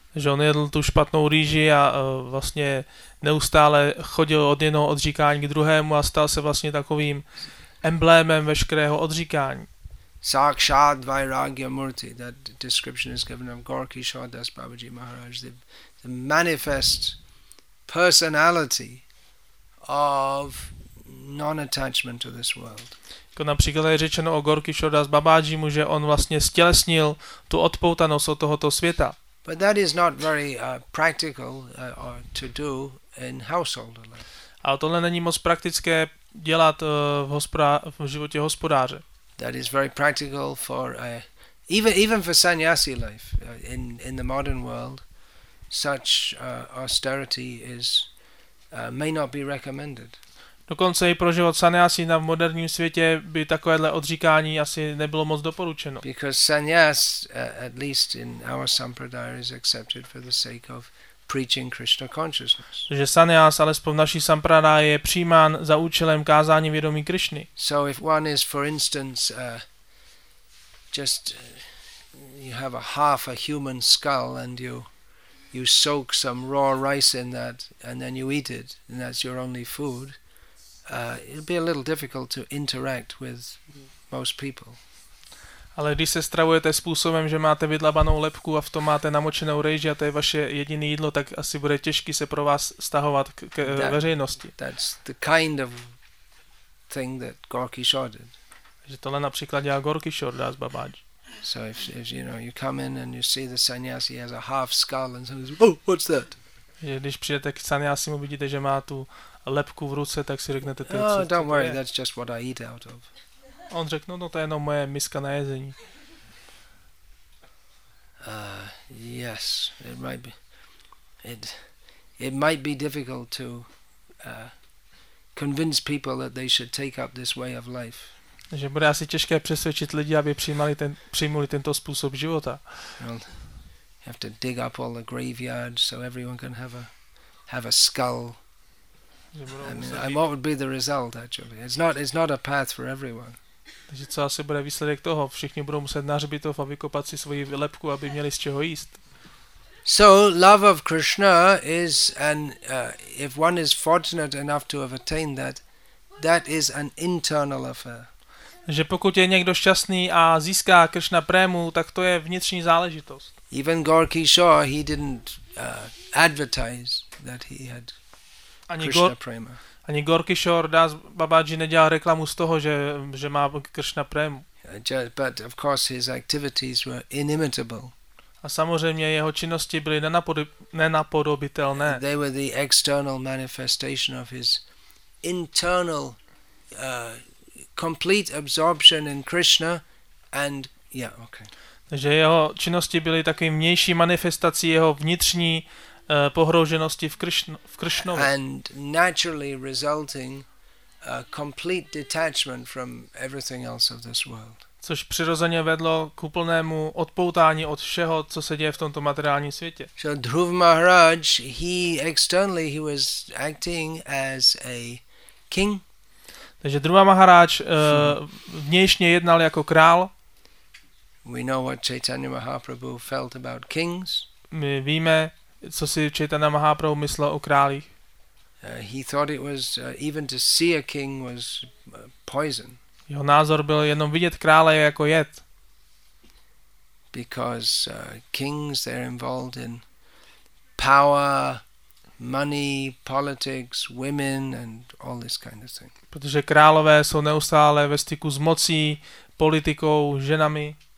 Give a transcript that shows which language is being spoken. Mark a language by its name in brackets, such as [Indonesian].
[Czech] Že on jedl tu špatnou rýži a vlastně neustále chodil od jednoho odříkání k druhému a stal se vlastně takovým emblémem veškerého odříkání. [Sanskrit] Sakshat Vairagya Murti, [English] that description is given of Gaurakishore Das Babaji Maharaj, the manifest personality of non-attachment to this world. [Czech] Například je řečeno o Gaurakishore Das Babajimu, že on vlastně stělesnil tu odpoutanost od tohoto světa. [English] But that is not very practical to do in household life. [Czech] Ale tohle není moc praktické dělat v životě hospodáře. [English] That is very practical for even for sannyasi life in the modern world. Such austerity is may not be recommended. [Czech] Dokonce i pro život sannyasi na moderním světě by takovéhle odříkání asi nebylo moc doporučeno. [English] Because sannyas, at least in our sampradaya, is accepted for the sake of preaching Krishna consciousness. [Czech] Takže sannyas, alespoň naší sampradaya, je přijímán za účelem kázání vědomí Krishny. [English] So if one is, for instance, just you have a half a human skull and you soak some raw rice in that and then you eat it and that's your only food. It'll be a little difficult to interact with most people. [Czech] Ale když se stravujete způsobem, že máte vydlabanou lebku a v tom máte namočenou rejži a to je vaše jediné jídlo, tak asi bude těžký se pro vás stahovat k veřejnosti. [English] That's the kind of thing that Gaurakishore did. [Czech] Že tohle například dělá Gaurakishore Das Babaji. [English] So if you know, you come in and you see the sannyasi has a half skull and someone says, oh, what's that? [Czech] Že když přijdete k sannyasi, uvidíte, že má tu lepku v ruce, tak si řeknete, to je, [English] don't worry, that's just what I eat out of. [Czech] On řekl, no to je jenom moje miska na jezení. [English] Yes, it might be difficult to convince people that they should take up this way of life. [Czech] Že bude asi těžké přesvědčit lidi, aby přijmuli tento způsob života. [English] Well, you have to dig up all the graveyard so everyone can have a skull. I mean, what would be the result actually? It's not a path for everyone. [Czech] Takže co asi bude výsledek toho? Všichni budou muset na hřbitov a vykopat si svoji lebku, aby měli z čeho jíst. [English] So love of Krishna is an if one is fortunate enough to have attained that is an internal affair. [Czech] Že pokud je někdo šťastný a získá Krishna prému, tak to je vnitřní záležitost. [English] Even Gaurakishore, he didn't advertise that he had [Czech] ani Krishna Prema. Ani Gorky Shor Das Babaji nedělal reklamu z toho, že má Krishna Prema. [English] But of course his activities were inimitable. [Czech] A samozřejmě jeho činnosti byly nenapodobitelné. [English] They were the external manifestation of his internal complete absorption in Krishna and yeah, okay. [Czech] Takže jeho činnosti byly takovým vnější manifestací jeho vnitřní pohrouženosti v Krišnovi. [English] And naturally resulting a complete detachment from everything else of this world. [Czech] Což přirozeně vedlo k úplnému odpoutání od všeho, co se děje v tomto materiálním světě. [English] So Dhruv Maharaj, he externally he was acting as a king. [Czech] Takže Dhruva Maharaj vnějšně jednal jako král. [English] We know what Chaitanya Mahaprabhu felt about kings. [Czech] My víme, co si Chaitanya Mahaprabhu myslel o králích. [English] He thought it was even to see a king was poison. [Czech] Jeho názor byl jenom vidět krále je jako jed. [English] Because kings they're involved in power, money, politics, women and all this kind of thing. [Czech] Protože králové jsou neustále ve styku s mocí, politikou, ženami.